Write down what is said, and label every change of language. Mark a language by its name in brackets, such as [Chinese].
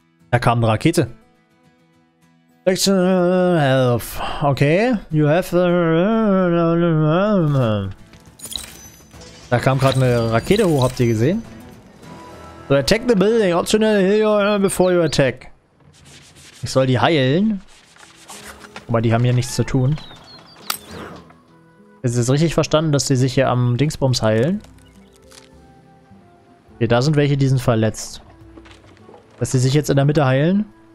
[German] Da kam eine Rakete. Health. Okay. [English] You have. [German] Da kam gerade eine Rakete hoch, habt ihr gesehen? [English] So, attack the building. Optional heal before you attack. [German] Ich soll die heilen. Aber die haben hier nichts zu tun. Ist es richtig verstanden, dass die sich hier am Dingsbums heilen? Hier, da sind welche, die sind verletzt. Dass die sich jetzt in der Mitte heilen?